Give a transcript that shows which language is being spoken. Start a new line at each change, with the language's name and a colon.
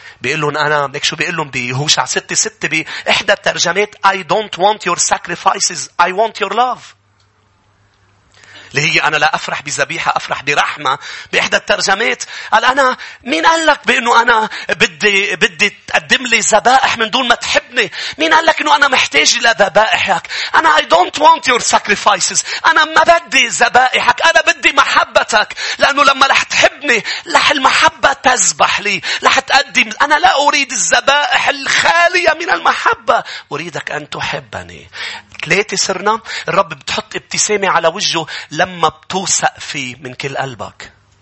Arabic: بيقولون أنا ليك شو بيقولون بيهوشع 6:6 بإحدى الترجمات
English: I don't want your sacrifices. I want your love.
Arabic: اللي هي أنا لا أفرح بذبيحة أفرح برحمة. بإحدى الترجمات قال أنا مين قال لك بأنه أنا بدي تقدم لي ذبائح من دون ما تحبني. مين قال لك أنه أنا محتاج لذبائحك.
English: أنا I don't want your sacrifices.
Arabic: أنا ما بدي ذبائحك. أنا بدي محبتك. لأنه لما رح تحبني لح المحبة تذبح لي. لح تقدم. أنا لا أريد الذبائح الخالية من المحبة. أريدك أن تحبني. ثلاثة صرنا. الرب بتحط ابتسامة على وجهه لما بتوثق فيه من كل قلبك.